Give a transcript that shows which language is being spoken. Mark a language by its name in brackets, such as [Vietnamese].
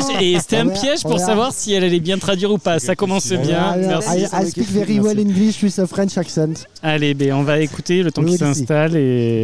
[French] c'était un piège pour savoir si elle allait bien traduire ou pas. Ça commence bien. Merci. [English] I speak very well English with a French accent. [French] Allez, on va écouter le temps qu'il s'installe et.